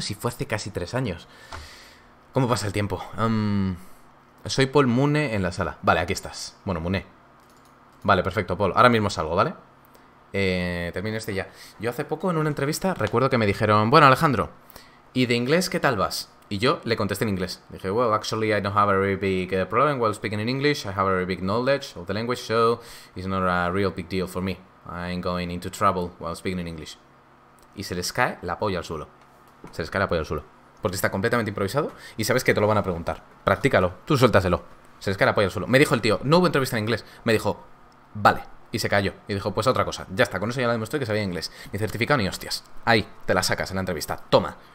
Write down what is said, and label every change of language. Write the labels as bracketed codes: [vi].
[es] Si fue hace casi 3 años. ¿Cómo pasa el tiempo? Soy Paul Mune en la sala. Vale, aquí estás. Bueno, Mune. Vale, perfecto, Paul. Ahora mismo salgo, ¿vale? Termino este ya. Yo hace poco en una entrevista recuerdo que me dijeron... Bueno, Alejandro, ¿y de inglés qué tal vas? Y yo le contesté en inglés. Dije, [en] well, actually, I don't have a very big problem while speaking in English. I have a very big knowledge of the language, so it's not a real big deal for me. I'm going into trouble while speaking in English. [es] Y se les cae la polla al suelo. Se les cae la polla al suelo. Porque está completamente improvisado y sabes que te lo van a preguntar. Practícalo. Tú suéltaselo. Se les cae la polla al suelo. Me dijo el tío, no hubo entrevista en inglés. Me dijo, vale. Y se cayó. Y dijo, pues otra cosa. Ya está, con eso ya le demostré que sabía inglés. Ni certificado ni hostias. Ahí, te la sacas en la entrevista. Toma.